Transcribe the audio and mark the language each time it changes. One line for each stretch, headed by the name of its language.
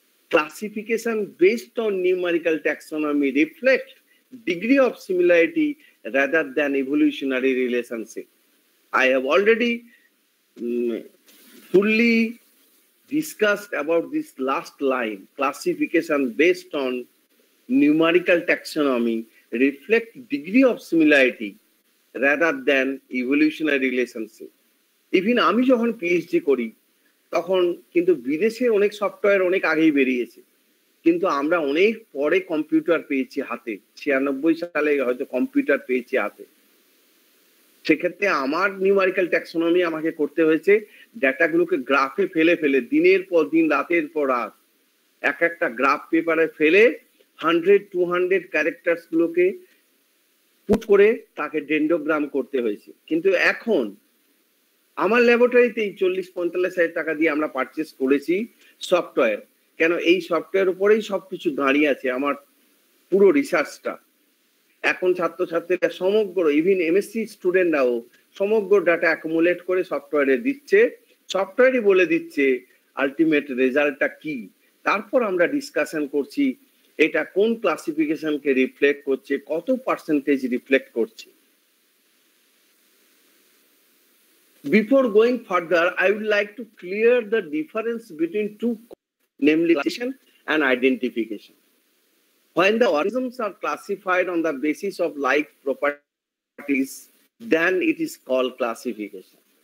English: Classification based on numerical taxonomy reflects degree of similarity rather than evolutionary relationship. I have already fully discussed about this last line, classification based on numerical taxonomy reflect degree of similarity rather than evolutionary relationship.
Bangla: Even আমি যখন PhD করি তখন কিন্তু বিদেশে অনেক software অনেক আগেই বেরিয়েছে, কিন্তু আমরা অনেক পরে কম্পিউটার পেয়েছি হাতে, 96 সালে হয়তো কম্পিউটার পেয়েছি হাতে। সেক্ষেত্রে আমার নিউমারিক্যাল ট্যাক্সোনমি আমাকে করতে হয়েছে ডাটাগুলোকে গ্রাফে ফেলে ফেলে, দিনের পর দিন রাতের পর রাত এক একটা গ্রাফ পেপারে ফেলে 100-200 ক্যারেক্টার্স গুলোকে পুট করে তাকে ডেন্ডোগ্রাম করতে হয়েছে। কিন্তু এখন আমার ল্যাবরেটরিতেই 40-45 হাজার টাকা দিয়ে আমরা পারচেস করেছি সফটওয়্যার, কেন এই সফটওয়্যার উপরেই সবকিছু দাঁড়িয়ে আছে আমার পুরো রিসার্চটা। এখন ছাত্রছাত্রীরা সমগ্র ইভিন এমএসসি স্টুডেন্টরাও সমগ্র ডাটা অ্যাকুমুলেট করে সফটওয়্যারে দিচ্ছে, সফটওয়্যারই বলে দিচ্ছে আলটিমেট রেজাল্টটা কি, তারপর আমরা ডিসকাশন করছি এটা কোন ক্লাসিফিকেশনকে রিফ্লেক্ট করছে, কত পার্সেন্টেজ রিফ্লেক্ট করছে।
English: Before going further, I would like to clear the difference between two, namely classification and identification. When the organisms are classified on the basis of like properties, then it is called classification.